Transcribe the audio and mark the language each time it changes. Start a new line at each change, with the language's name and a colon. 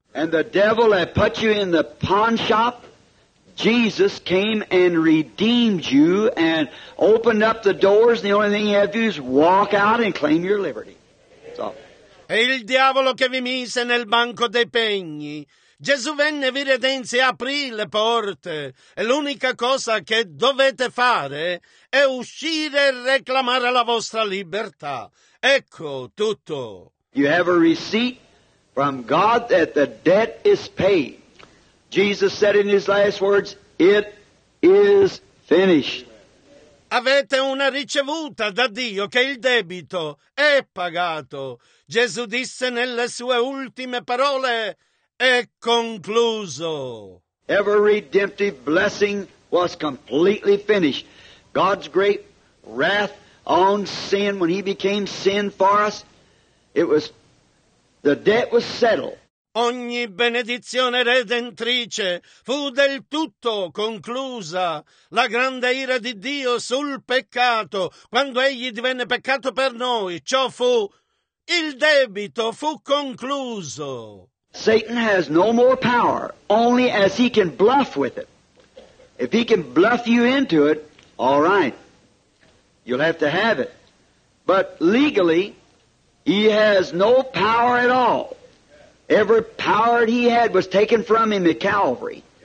English: And the devil that put you in the pawn shop, Jesus came and redeemed you and opened up the doors. The only thing you have to do is walk out and claim your liberty. So.
Italian: E il diavolo che vi mise nel banco dei pegni. Gesù venne, vi redenze, aprì le porte. E l'unica cosa che dovete fare è uscire e reclamare la vostra libertà. Ecco tutto.
English: You have a receipt from God that the debt is paid. Jesus said in his last words, it is finished.
Italian: Avete una ricevuta da Dio che il debito è pagato. Gesù disse nelle sue ultime parole, è concluso.
English: Every redemptive blessing was completely finished. God's great wrath on sin, when he became sin for us, it was, the debt was settled.
Italian: Ogni benedizione redentrice fu del tutto conclusa. La grande ira di Dio sul peccato, quando egli divenne peccato per noi, ciò fu, il debito fu concluso.
English: Satan has no more power, only as he can bluff with it. If he can bluff you into it, all right, you'll have to have it. But legally, he has no power at all. Every power he had was taken from him at Calvary.